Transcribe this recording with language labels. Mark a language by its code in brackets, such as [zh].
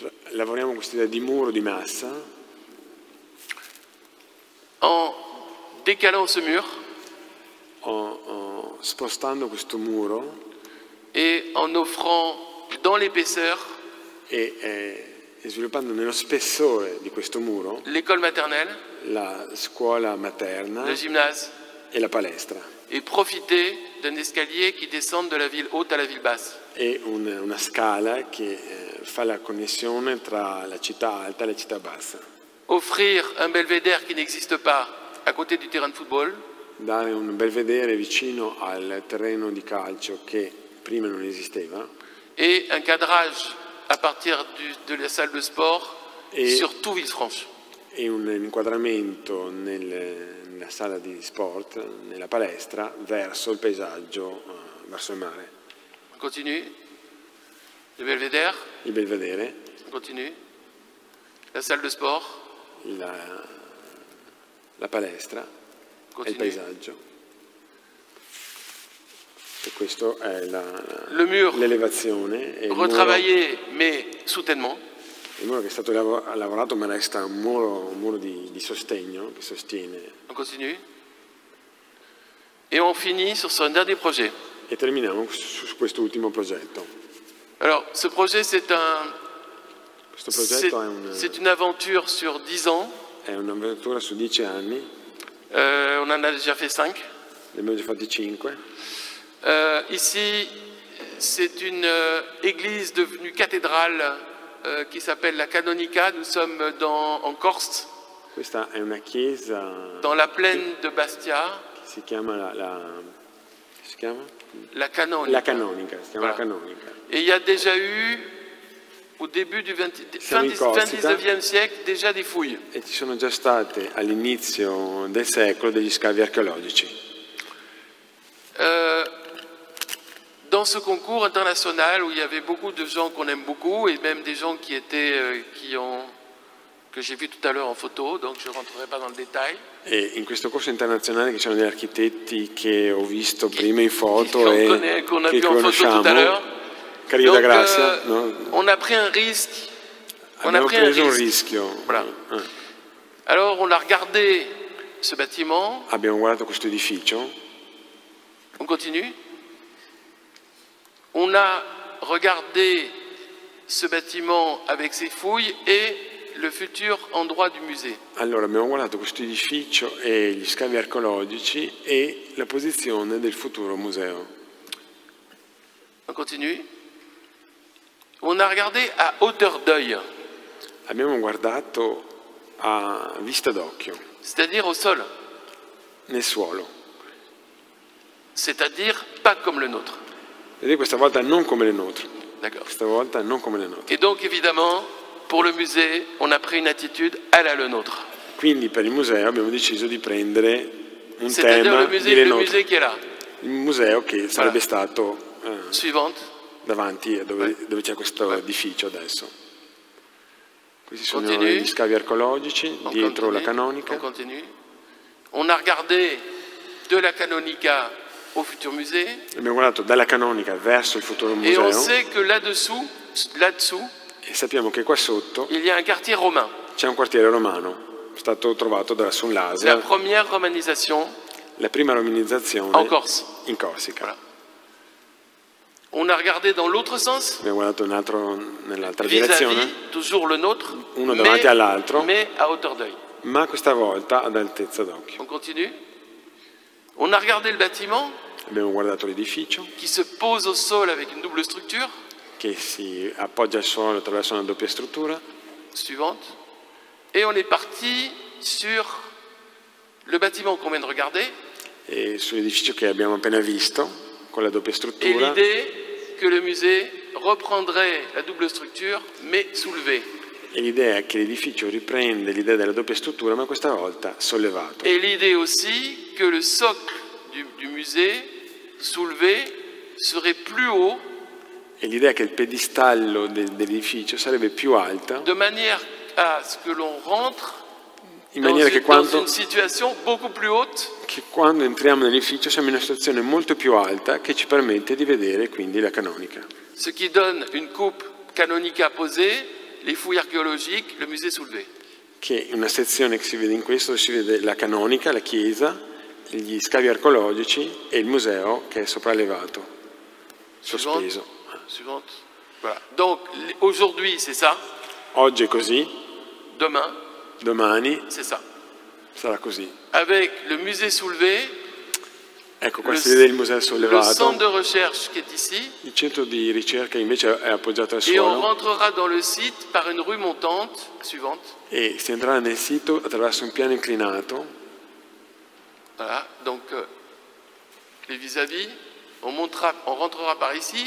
[it] Lavoriamo questa idea di muro di massa. [fr] En décalant ce mur. [it] En spostando questo muro. [fr] Et en offrant dans l'épaisseur. [it] E sviluppando nello spessore di questo muro [fr] l'école maternelle, [it] la scuola materna, [fr] le gymnase [it] e la palestra, [fr] e profiter d'un escalier qui descende de la ville haute à la ville basse, [it] e una scala che fa la connessione tra la città alta e la città bassa, [fr] offrir un belvedere qui n'existe pas à côté du terrain de football, [it] dare un belvedere vicino al terreno di calcio che prima non esisteva, [fr] e un cadrage à partir de la salle de sport sur tout Villefranche. [it] Et un inquadramento nella sala di sport, nella palestra, verso il paesaggio, verso il mare. [fr] Continue. Le belvedere. [it] Il belvedere. [fr] Continue. La salle de sport. [it] La palestra. [fr] Continue. [it] E il paesaggio. E questo è [fr] le mur, [it] l'elevazione. [fr] Retravaillé, mais soutènement. [it] Il muro che è stato lavorato, ma resta un muro di sostegno che sostiene. [fr] On continue. Et on finit sur ce dernier projet. [it] E terminiamo su questo ultimo progetto. [fr] Alors, ce projet, c'est un. [it] Questo progetto è un. [fr] C'est une aventure sur 10 ans. [it] È un'avventura su 10 anni. [fr] On en a déjà fait 5. [it] Ne abbiamo già fatti 5. [fr] Ici, c'est une église devenue cathédrale qui s'appelle la Canonica. Nous sommes en Corse. [it] Questa è una chiesa. [fr] Dans la plaine de Bastia. [it] Che si chiama la, la si chiama? La canonica. La canonica, si chiama, voilà, la canonica. [fr] E il y a déjà eu au début du 19e siècle déjà des fouilles. [it] E ci sono già state all'inizio del secolo degli scavi archeologici. [fr] Dans ce concours international où il y avait beaucoup de gens qu'on aime beaucoup et même des gens qui étaient qui ont que j'ai vu tout à l'heure en photo, donc je rentrerai pas dans le détail. [it] E in questo corso internazionale che c'erano degli architetti che ho visto prima in foto e che conosciamo, Carina Grazia, no? [fr] On a pris un risque. On a pris un rischio. Voilà. Alors on a regardé ce bâtiment. [it] Abbiamo guardato questo edificio. [fr] On continue. On a regardé ce bâtiment avec ses fouilles et le futur endroit du musée. [it] Allora abbiamo guardato questo edificio e gli scavi archeologici e la posizione del futuro museo. [fr] On continue. On a regardé à hauteur d'œil. [it] Abbiamo guardato a vista d'occhio. [fr] C'est-à-dire au sol. [it] Nel suolo. [fr] C'est-à-dire pas comme le nôtre. [it] Vedete, questa volta non come le nôtre. [fr] D'accord. [it] Questa volta non come le nôtre. [fr] Et donc évidemment, pour le musée, on a pris une attitude à la le nôtre. [it] Quindi per il museo abbiamo deciso di prendere un tema di le nôtre. [fr] C'est-à-dire le musée qui est là. [it] Il museo che sarebbe stato [fr] suivante. [it] Davanti a dove, dove c'è questo edificio adesso. Questi sono gli scavi archeologici dietro la canonica. [fr] On continue. On a regardé de la canonica au futur musée. [it] Abbiamo guardato dalla canonica verso il futuro museo. [fr] Et on sait que là-dessous, [it] e sappiamo che qua sotto [fr] il y a un quartier romain. [it] C'è un quartiere romano, stato trovato da Sun Laser. [fr] La première romanisation. [it] La prima romanizzazione [fr] en Corse. [it] In Corsica. [fr] Voilà. On a regardé dans l'autre sens. [it] Abbiamo guardato un altro nell'altra direzione. [fr] Toujours le nôtre. [it] Uno davanti all'altro. [fr] Mais à hauteur d'œil. [it] Ma questa volta ad altezza d'occhio. [fr] On continue. On a regardé le bâtiment. [it] Abbiamo guardato l'edificio. [fr] Qui se pose au sol avec une double structure. [it] Che si appoggia al suolo attraverso una doppia struttura. [fr] Suivante. Et on est parti sur le bâtiment qu'on vient de regarder. [it] E sull'edificio che abbiamo appena visto. Con la doppia struttura. [fr] Et l'idée que le musée reprendrait la double structure, mais soulevée. Et l'idée est que l'édifice riprende l'idée de la double structure, mais cette fois soulevée. Et l'idée aussi que le socle du musée soulevé serait plus haut. Et l'idée est que le pédestale de l'édifice serait plus alte. De manière à ce que l'on rentre. [it] In maniera che quando, [fr] dans une situation beaucoup plus haute, [it] che quando entriamo nell'edificio siamo in una situazione molto più alta che ci permette di vedere quindi la canonica. [fr] Ce qui donne une coupe canonica posée, les fouilles archéologiques, le musée soulevé. [it] Che una sezione che si vede in questo si vede la canonica, la chiesa, gli scavi archeologici e il museo che è sopraelevato, sospeso. [fr] Suivante. Voilà. Donc aujourd'hui c'est ça. [it] Oggi è così. [fr] Demain. [it] Domani [fr] c'est ça. [it] Sarà così. [fr] Avec le musée soulevé. [it] Ecco, qua si vede il museo sollevato. [fr] Le centre de recherche qui est ici. [it] Il centro di ricerca invece è appoggiato al suolo. [fr] Et on rentrera dans le site par une rue montante suivante. [it] E si entrerà nel sito attraverso un piano inclinato. [fr] Voilà, donc les vis-à-vis, on montera, on rentrera par ici.